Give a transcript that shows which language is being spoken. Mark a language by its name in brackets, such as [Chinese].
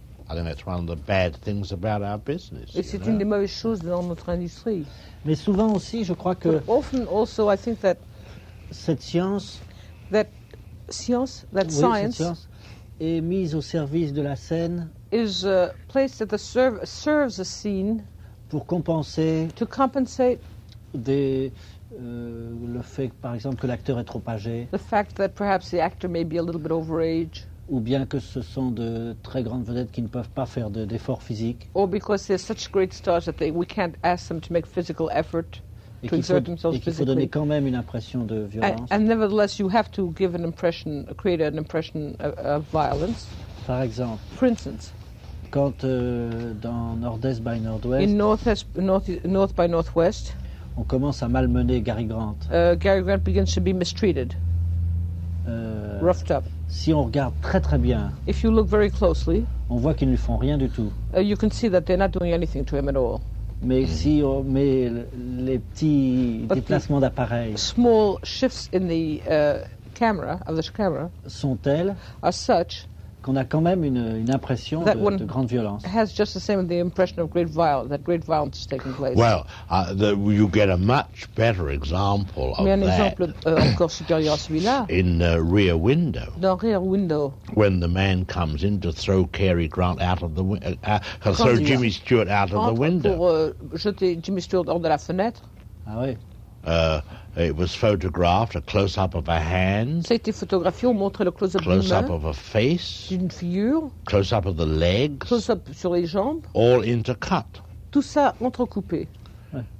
[English] I think that's one of the bad things about our business. [French] Et c'est une des mauvaises choses dans notre industrie. Mais souvent aussi, je crois que. [English] But often also, I think that [French] cette science, [English] that science, [French] science est mise au service de la scène. [English] Is placed at the serves a scene. [French] Pour compenser. [English] To compensate. [French] Le fait, par exemple, que l'acteur est trop âgé. [English] The fact that perhaps the actor may be a little bit overage. [French] Ou bien que ce sont de très grandes vedettes qui ne peuvent pas faire d'efforts physiques. [English] Or because they're such great stars that we can't ask them to make physical effort to exert themselves physically. [French] Et qu'il faut [English] physically. [French] Donner quand même une impression de violence. [English] And nevertheless, you have to give an impression, create an impression of violence. [French] Par exemple. [English] For instance. [French] Quand dans Nord-Est by Nord-Ouest. [English] In North by Northwest. [French] On commence à malmener Gary Grant. [English] Gary Grant begins to be mistreated. Roughed up. [French] Si on regarde très très bien, [English] if you look very closely, [French] on voit qu'ils ne font rien du tout. [English] You can see that they're not doing anything to him at all. [French] Mais si on met les petits déplacements d'appareil, [English] small shifts in the camera of the camera, [French] sont tels, [English] are such, [French] qu'on a quand même une impression de grande violence. [English] Has just the same the impression of great violence, that great violence is taking place. Well, you get a much better example of [French] mais un [English] that. [French] Exemple encore supérieur à celui-là. [English] In Rear Window. [French] Dans Rear Window. [English] When the man comes in to throw Cary Grant out of the throw Jimmy Stewart out of the window. [French] Pour jeter Jimmy Stewart hors de la fenêtre. Ah oui. [English] It was photographed, a close-up of a hand. [French] Ça a été photographié, on montrait le close-up d'une main. [English] Close-up of a face. [French] D'une figure. [English] Close-up of the legs. [French] Close-up sur les jambes. [English] All intercut. [French] Tout ça entrecoupé. Ouais.